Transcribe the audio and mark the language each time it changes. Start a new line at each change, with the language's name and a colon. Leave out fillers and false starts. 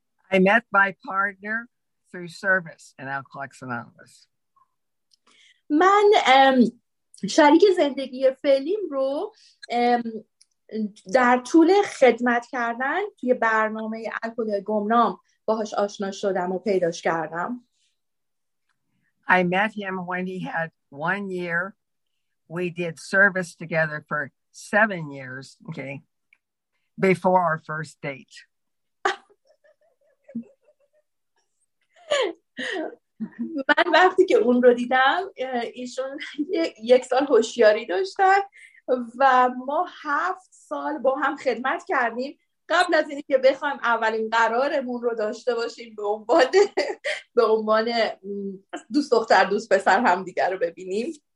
English: I met my partner through service in Alcoholics Anonymous.
Persian: من شریک زندگی فعلیم رو در طول خدمت کردن توی برنامه الکل گمنام باهاش آشنا شدم و پیداش کردم.
English: I met him when he had 1 year. We did service together for 7 years, okay, before our first date.
Persian: من وقتی که اون رو دیدم ایشون یک سال هوشیاری داشتن و ما 7 سال با هم خدمت کردیم قبل از اینکه بخوایم اولین قرارمون رو داشته باشیم به عنوان دوست دختر دوست پسر هم دیگر رو ببینیم.